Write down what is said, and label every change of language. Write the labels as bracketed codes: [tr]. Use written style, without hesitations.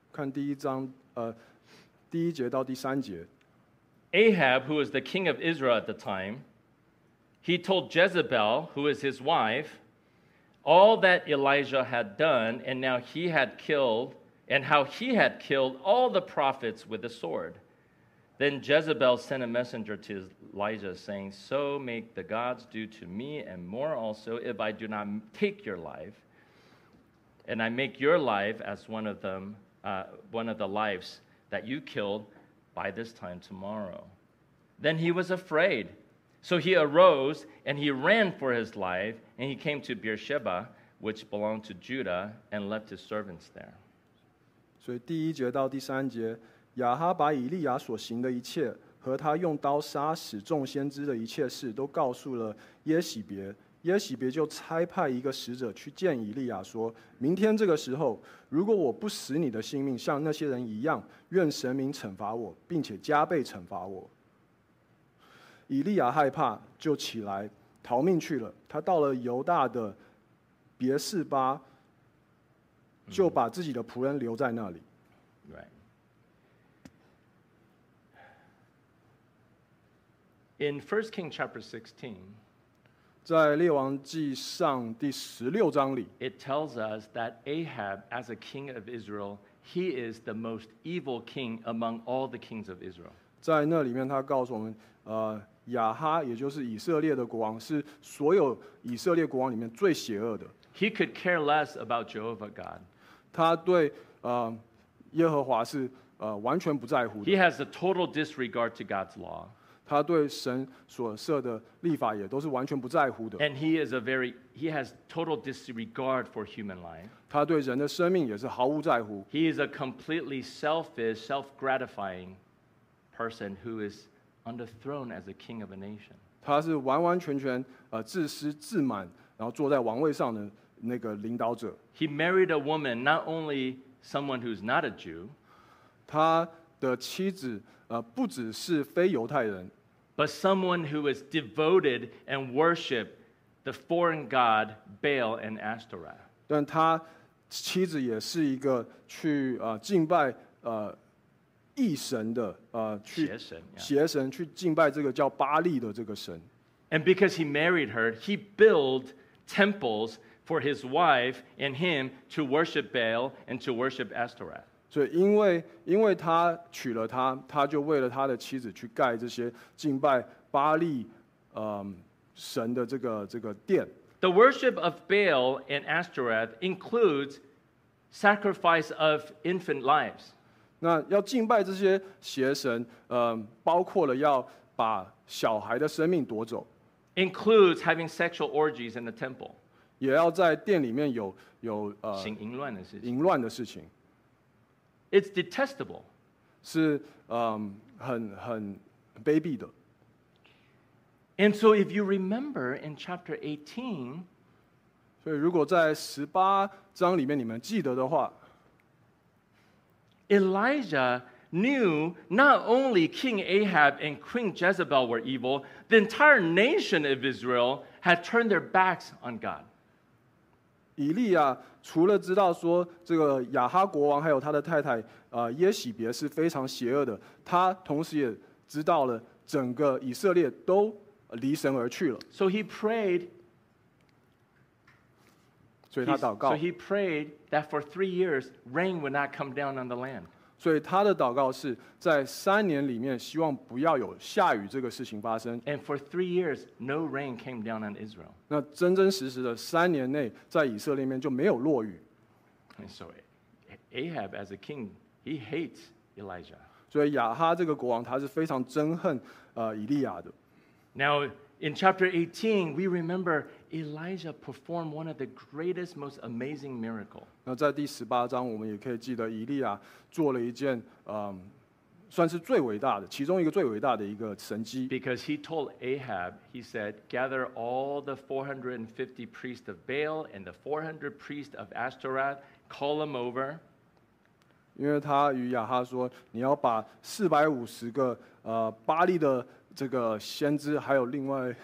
[zh] 看第一章第一节到第三节。 [en] Ahab, who was the king of Israel at the time, he told Jezebel, who is his wife, all that Elijah had done, and now he had killed, and how he had killed all the prophets with the sword. Then Jezebel sent a messenger to Elijah, saying, So make the gods do to me and more also, if I do not take your life, and I make your life as one of them, one of the lives that you killed. By this time tomorrow. Then he was afraid. So he arose and he ran for his life and he came to Beersheba, which belonged to Judah, and left his servants there. [zh] 所以第一节到第三节，亚哈把以利亚所行的一切和他用刀杀死众先知的一切事都告诉了耶洗别。耶洗别就差派一个使者去见以利亚说，明天这个时候，如果我不死你的性命，像那些人一样，愿神明惩罚我，并且加倍惩罚我。以利亚害怕，就起来逃命去了。他到了犹大的别示巴，就把自己的仆人留在那里。 [en] In 1 Kings chapter 16, [zh] 在列王记上第十六章里， [en] it tells us that Ahab, as a king of Israel, he is the most evil king among all the kings of Israel. [zh] 在那里面他告诉我们，亚哈也就是以色列的国王，是所有以色列国王里面最邪恶的。 [en] He could care less about Jehovah God. [zh] 他对耶和华是完全不在乎的。 [en] He has a total disregard to God's law. [zh] 他对神所设的立法也都是完全不在乎的。 [en] And he is a very, he has total disregard for human life. [zh] 他对人的生命也是毫无在乎。 [en] He is a completely selfish, self-gratifying person who is on the throne as a king of a nation. [zh] 他是完完全全自私自满，然后坐在王位上的那个领导者。 [en] He married a woman, not only someone who is not a Jew. [zh] 他的妻子不只是非犹太人， [en] but someone who is devoted and worship the foreign god Baal and Ashtoreth. [zh] 但他妻子也是一个去敬拜异神的去邪神，邪神去敬拜这个叫巴利的这个神。 [en] And because he married her, he built temples for his wife and him to worship Baal and to worship Ashtoreth. [zh] 所以因为他娶了她，他就为了他的妻子去盖这些敬拜巴利神的这个殿。 [en] The worship of Baal and Ashtoreth includes sacrifice of infant lives. [zh] 那要敬拜这些邪神，包括了要把小孩的生命夺走。 [en] Includes having sexual orgies in the temple. [zh] 也要在殿里面有行淫乱的事情。淫乱的事情。 [en] It's detestable. [zh] 是很卑鄙的。 [en] And so if you remember in chapter 18, [zh] 所以如果在十八章里面你们记得的话， [en] Elijah knew not only King Ahab and Queen Jezebel were evil, the entire nation of Israel had turned their backs on God. [zh] 以利亚除了知道说这个亚哈国王还有他的太太耶洗别是非常邪恶的，他同时也知道了整个以色列都离神而去了。 [en] So he prayed. [zh] 所以他祷告。 [en] So he prayed that for 3 years rain would not come down on the land. [zh] 所以他的祷告是在三年里面希望不要有下雨这个事情发生。 [en] And for 3 years no rain came down on Israel. [zh] 那真真实实的三年内在以色列面就没有落雨。 [en] And so Ahab as a king, he hates Elijah. [zh] 所以亚哈这个国王他是非常憎恨以利亚的。 [en] Now in chapter 18 we remember Elijah performed one of the greatest most amazing miracle. [zh] 那在第十八章我们也可以记得以利亚做了一件算是最伟大的其中一个最伟大的一个神迹。 [en] Because he told Ahab, he said, gather all the 450 priests of Baal and the 400 priests of Ashtoreth, call them over. [zh] 因为他与亚哈说，你要把四百五十个巴利的这个先知，还有另外